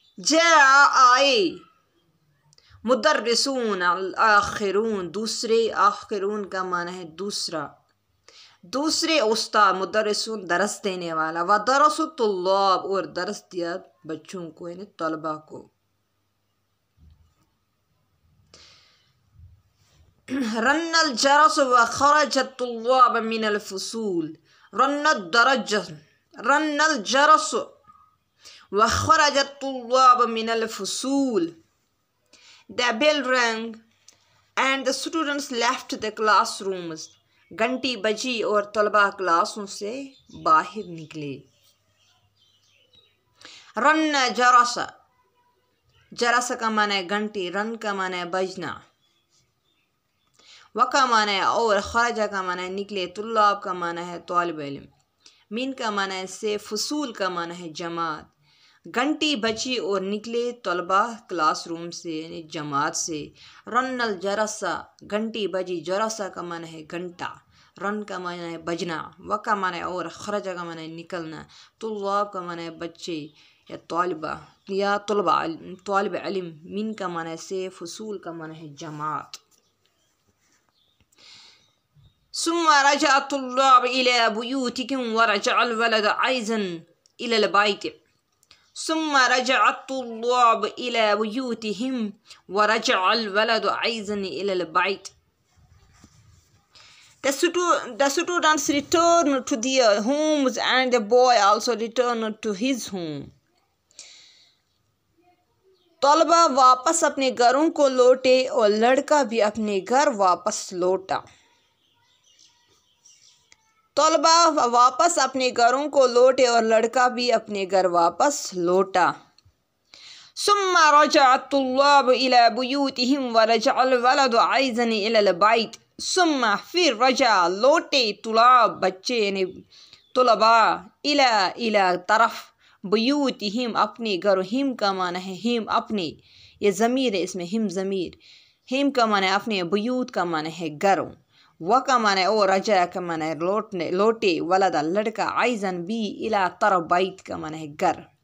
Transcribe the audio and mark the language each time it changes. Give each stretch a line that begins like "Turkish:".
Urdu: جاء آئے مدرسون الآخرون, دوسرے آخرون کا معنی ہے دوسرا, دوسرے استاد مدرسون درس دینے والا, و درس طلاب اور درس دیا بچوں کو یعنی طلباء کو.
Arabic: رن الجرس و خرج الطلاب من الفصول, رن الدرج رن الجرس و خرج الطلاب من الفصول.
English: The bell rang and the students left the classrooms.
Urdu: گھنٹی بجی اور طلبہ کلاسوں سے باہر نکلے. رن جرس, جرس کا معنی گھنٹی, رن کا معنی بجنا, وکا معنی اور, خرجہ کا معنی نکلے, طلاب کا معنی ہے طالب علم, مین کا معنی سے, فصول کا معنی ہے جماعت. گھنٹی بجی اور نکلے طلبہ کلاس روم سے یعنی جماعت سے.
Arabic: رن الجرس,
Urdu: گھنٹی بجی, جرس کا معنی ہے گھنٹا, رن کا معنی ہے بجنا, وکا معنی اور, خرجہ کا معنی نکلنا, طلاب کا معنی ہے بچے یا طالبہ یا طلبہ طالب علم, مین کا معنی سے, فصول کا معنی ہے جماعت.
Arabic: ثم رجع الطلاب الى بيوتهم ورجع الولد ايضا الى البيت. ثم رجع الطلاب الى بيوتهم ورجع الولد ايضا الى البيت.
English: The students returned to their homes and the boy also returned to his home.
Urdu: طلبہ واپس اپنے گھروں کو لوٹے اور لڑکا بھی اپنے گھر واپس لوٹا. طلبہ واپس اپنے گھروں کو لوٹے اور لڑکا بھی اپنے گھر واپس لوٹا.
Arabic: ثم رجع الطلاب الى بيوتهم ورجع الولد ايضا الى البيت.
Urdu: ثم پھر رجع, لوٹے طلاب بچے یعنی طلباء, الى طرف, بيوتهم اپنے گھر, ہم کا معنی ہے ہم اپنے, یہ ضمیر ہے اس میں ہم ضمیر, ہم کا معنی اپنے, بيوت کا معنی ہے گھروں, وہ کا معنی ہے او, رجا کا معنی ہے لوٹنے لوٹے, ولدا لڑکا, عائزن بھی, الى طرف بیت کا معنی ہے گھر.